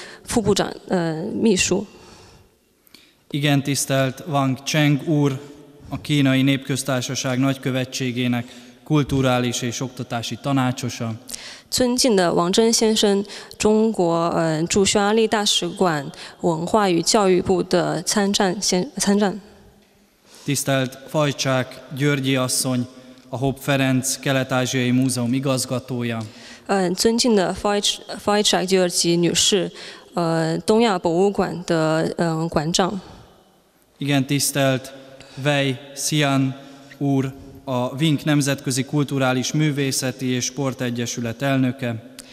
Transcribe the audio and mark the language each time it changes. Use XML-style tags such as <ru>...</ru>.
<zh>尊敬的Szamodi Zsolt Olaf摄影艺术家，尊敬的匈牙Magyar Levente外交和对外贸易部副部长秘书。</zh> <hu>Igen tisztelt Wang Cheng úr, a Kínai Népköztársaság nagykövetségének kulturális és oktatási tanácsosa.</hu> <zh>尊敬的王真先生，中国驻匈牙利大使馆文化与教育部的参赞。</zh> <hu>Tisztelt Fajcsák Györgyi asszony, a Hopp Ferenc Kelet-Ázsiai Múzeum igazgatója.</hu> <zh>尊敬的Fajcsák Györgyi女士，东亚博物馆的馆长。</zh> <hu>Igen tisztelt Wei Xian úr, a WINK Nemzetközi Kulturális Művészeti és Sportegyesület elnöke.</hu>